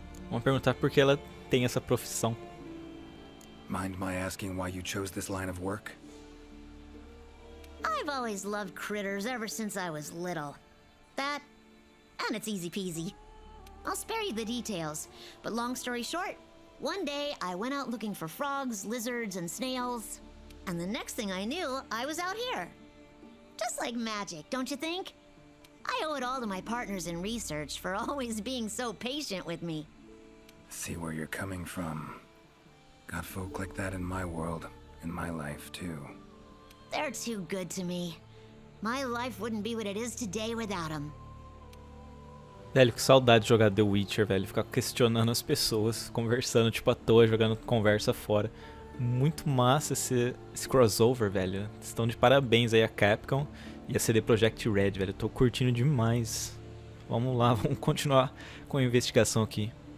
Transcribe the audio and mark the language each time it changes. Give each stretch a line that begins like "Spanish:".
Portuguese: Vamos perguntar por que ela tem essa profissão.
English: Mind my asking why you chose this line of work? I've always loved critters ever since I was little. That, and it's easy peasy. I'll spare you the details, but long story short, one day I went out looking for frogs, lizards, and snails. And the next thing I knew, I was out here. Just like magic, don't you think? I owe it all to my partners in research for always being so patient with me. See where you're coming from. Got folk like that in my world, in my life, too. They're too good to me. My life wouldn't be what it is today without them.
Portuguese: Velho, que saudade de jogar The Witcher, velho. Ficar questionando as pessoas, conversando tipo à toa, jogando conversa fora. Muito massa esse crossover, velho. Estão de parabéns aí a Capcom e a CD Projekt Red, velho. Tô curtindo demais. Vamos lá, vamos continuar com a investigação aqui.